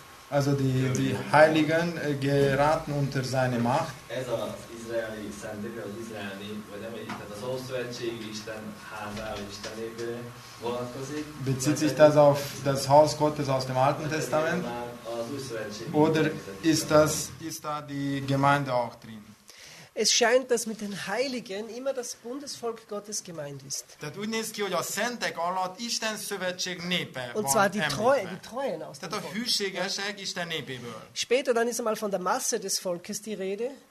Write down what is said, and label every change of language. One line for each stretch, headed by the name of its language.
German: Also die Heiligen geraten unter seine Macht.
Hungarian: Ez az izraeli szentek, az izraeli, vagy nem egyik, tehát az Ószövetség Isten házára, Istenébe vonatkozik.
German: Bezieht sich das auf das Haus Gottes aus dem Alten Testament? Oder ist da die Gemeinde auch drin? Es scheint, dass mit den Heiligen immer das Bundesvolk Gottes gemeint ist.
Hungarian: Tehát úgy néz ki, hogy a szentek alatt Isten szövetség népe van.
German: Und zwar die Treuen aus dem Volk.
Hungarian: Tehát a hűségesek Isten népéből.
German: Später dann ist einmal von der Masse des Volkes die Rede.